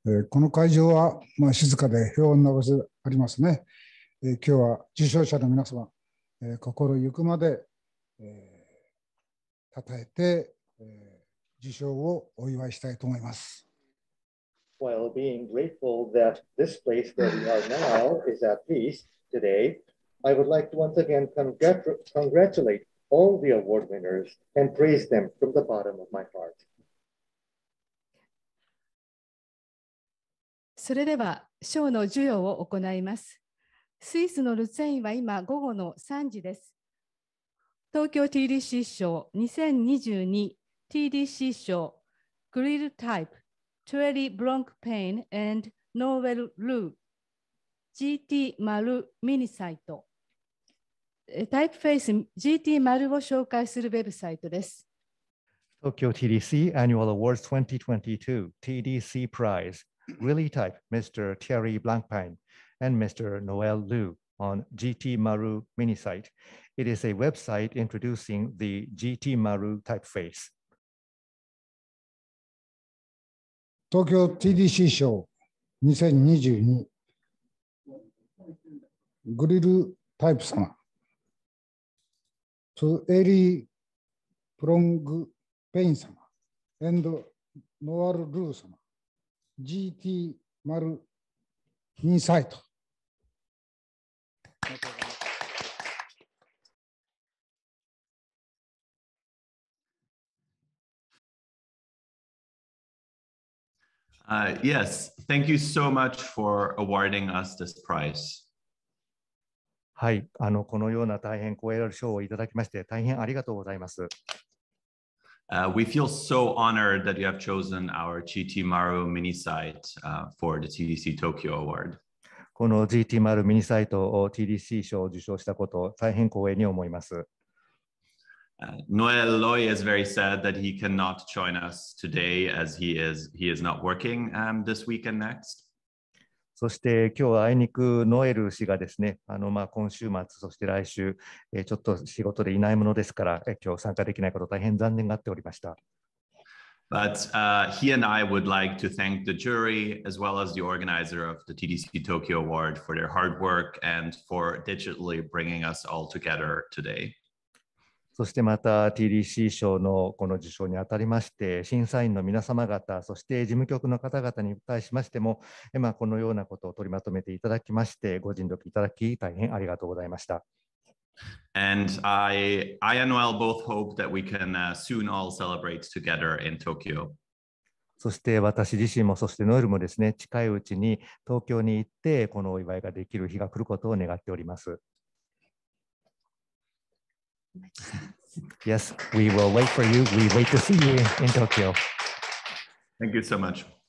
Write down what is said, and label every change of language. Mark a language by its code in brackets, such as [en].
[ja] この会場は、まあ、静かで平穏な場所でありますね。今日は受賞者の皆様、心ゆくまで、讃えて、受賞をお祝いしたいと思います。 [en] While being grateful that this place where we are now is at peace today, I would like to once again congratulate all the award winners and praise them from the bottom of my heart. [ja] それでは賞の授与を行います。スイスのルツェインは今午後の3時です。東京 TDC 賞 2022TDC 賞 Grill Type Thierry Blancpain and Noël Roux GT 丸ミニサイトタイプフェイス GT 丸を紹介するウェブサイトです。 [en] Tokyo TDC Annual Awards 2022TDC Prize Grilli Type Mr. Thierry Blancpain and Mr. Noël Roux on GT 丸ミニサイト。 It is a website introducing the GT 丸 typeface. [ja] 東京 TDC 賞2022グリルタイプ様、トゥエリー・プロング・ペイン様、エンド・ノワル・ルー様、GT ・マル・インサイト。 [en] Yes, thank you so much for awarding us this prize. [ja] はい、このような大変光栄な賞をいただきまして、大変ありがとうございます。 [en] We feel so honored that you have chosen our GT Maru mini site for the TDC Tokyo Award. [ja] この GT Maru mini site を TDC 賞を受賞したことを大変光栄に思います。 [en] Noel Loy is very sad that he cannot join us today as he is not working this week and next. [ja] そして今日はあいにくノエル氏がですね、まあ今週末そして来週ちょっと仕事でいないものですから今日参加できないこと大変残念がっておりました。 [en] But he and I would like to thank the jury as well as the organizer of the TDC Tokyo Award for their hard work and for digitally bringing us all together today. [ja] そしてまた TDC 賞のこの受賞にあたりまして審査員の皆様方そして事務局の方々に対しましても今このようなことを取りまとめていただきましてご尽力いただき大変ありがとうございました。 [en] And I and Noel both hope that we can soon all celebrate together in Tokyo. [ja] そして私自身もそしてノエルもですね近いうちに東京に行ってこのお祝いができる日が来ることを願っております。 [en] Yes, we will wait for you. We wait to see you in Tokyo. Thank you so much.